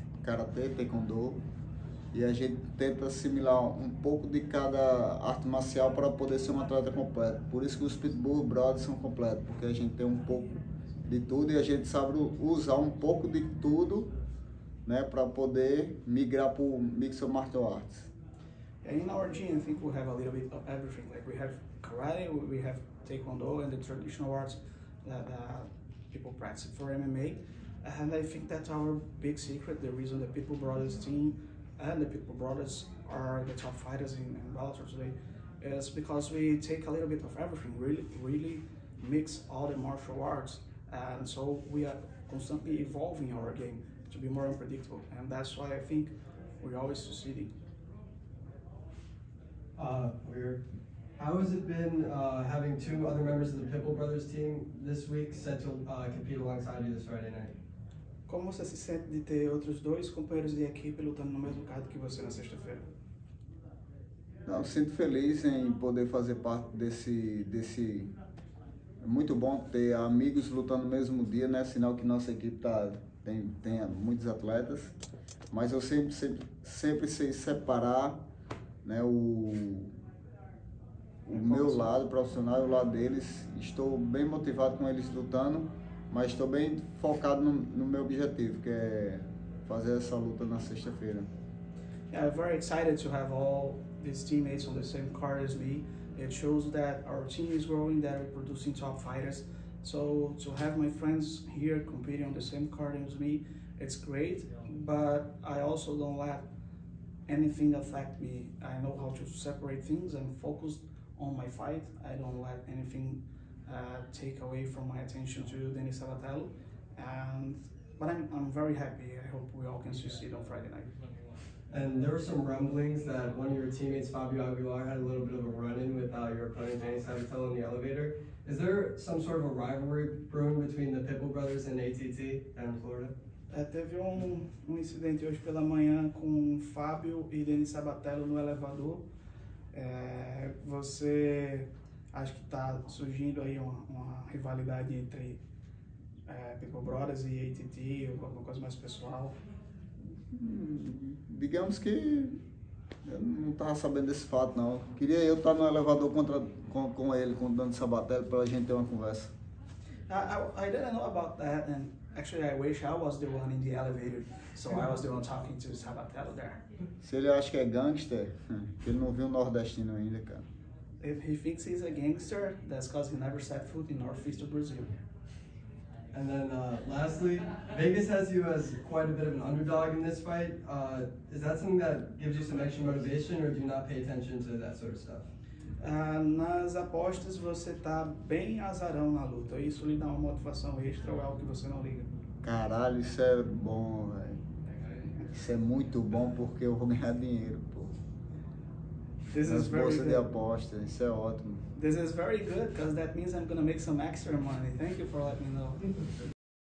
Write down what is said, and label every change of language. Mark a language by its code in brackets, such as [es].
[pt] Karatê, taekwondo. E a gente tenta assimilar um pouco de cada arte marcial para poder ser um atleta completo. Por isso que os Pitbull Brothers são completos, porque a gente tem um pouco de tudo e a gente sabe usar um pouco de tudo, né, para poder migrar para o Mixed Martial Arts. [en] And in our gym, I think we have a little bit of everything. Like we have karate, we have taekwondo and the traditional arts that people practice for MMA. And I think that's our big secret, the reason the Pitbull Brothers team and the Pitbull Brothers are the top fighters in Bellator today, is because we take a little bit of everything, really, really mix all the martial arts. And so we are constantly evolving our game to be more unpredictable. And that's why I think we're always succeeding. How has it been having two other members of the Pitbull Brothers team this week set to compete alongside you this Friday night? [pt] Como você se sente de ter outros dois companheiros de equipe lutando no mesmo card que você na sexta-feira? Não, sinto feliz em poder fazer parte desse. É muito bom ter amigos lutando no mesmo dia, né? Sinal que nossa equipe tem muitos atletas. Mas eu sempre sei separar, né, o meu lado profissional e o lado deles. Estou bem motivado com eles lutando, mas estou bem focado no meu objetivo, que é fazer essa luta na sexta-feira. [en] Yeah, I'm very excited to have all these teammates on the same card as me. It shows that our team is growing, that we're producing top fighters. So to have my friends here competing on the same card as me, it's great. But I also don't let anything affect me. I know how to separate things. I'm focused on my fight. I don't let anything take away from my attention to Danny Sabatello. But I'm very happy. I hope we all can succeed on Friday night. And there were some rumblings that one of your teammates, Fabio Aguilar, had a little bit of a run-in with your opponent, Danny Sabatello, in the elevator. Is there some sort of a rivalry brewing between the Pitbull Brothers and ATT down in Florida? [pt] Teve um incidente hoje pela manhã com Fabio e Danny Sabatello no elevador. Você acha que está surgindo aí uma rivalidade entre Pitbull Brothers e ATT, ou alguma coisa mais pessoal? Digamos que eu não estava sabendo desse fato, não. Queria eu estar no elevador com ele, com o Danny Sabatello, para a gente ter uma conversa. [en] I didn't know about that, and actually I wish I was the one in the elevator, so I was the one talking to Sabatello there. [pt] Se ele acha que é gangster, ele não viu o nordestino ainda, cara. [en] If he thinks he's a gangster, that's because he never set foot in northeast of Brazil. And then lastly, Vegas has you as quite a bit of an underdog in this fight. Is that something that gives you some extra motivation, or do you not pay attention to that sort of stuff? [pt] Nas apostas, você tá bem azarão na luta. Isso lhe dá uma motivação extra, ou algo que você não liga? Caralho, isso é bom, velho. Isso é muito bom, porque eu vou ganhar dinheiro, pô. [en] This [pt] nas bolsas de aposta, isso é ótimo. [en] This is very good, because that means I'm going to make some extra money. Thank you for letting me know.